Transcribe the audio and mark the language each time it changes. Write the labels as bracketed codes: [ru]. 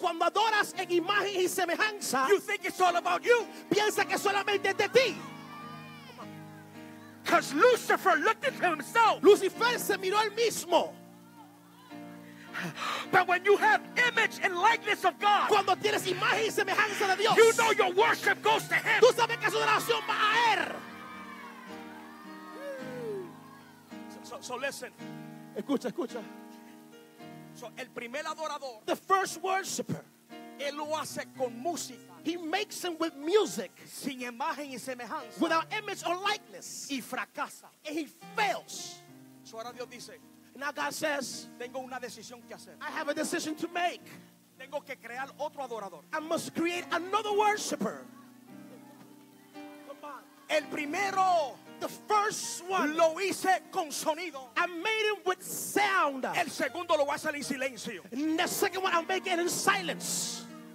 [es] cuando adoras en imagen y semejanza, [en] you think it's all about you. [es] Piensa que solamente es de ti. [en] Because Lucifer looked at himself. [es] Lucifer se miró el mismo. [en] But when you have image and likeness of God, [es] cuando tienes imagen y semejanza de Dios, [en] you know your worship goes to him. [es] Tú sabes que su adoración va a él. [en] So listen. [es] Escucha, escucha. So, el primer adorador, [en] the first worshiper, [es] él lo hace con música. [en] He makes him with music, [es] sin imagen y semejanza, [en] without image or likeness, [es] y fracasa. [en] And he fails. [es] So, ahora Dios dice, [en] now God says, [es] tengo una decisión que hacer. [en] I have a decision to make. [es] Tengo que crear otro adorador. [en] I must create another worshiper. Come on. [es] El primero, [en] the first one, [es] lo hice con sonido. [en] I made it with sound. [es] El segundo lo voy a hacer en silencio. [en] And the second one, I'll make it in silence.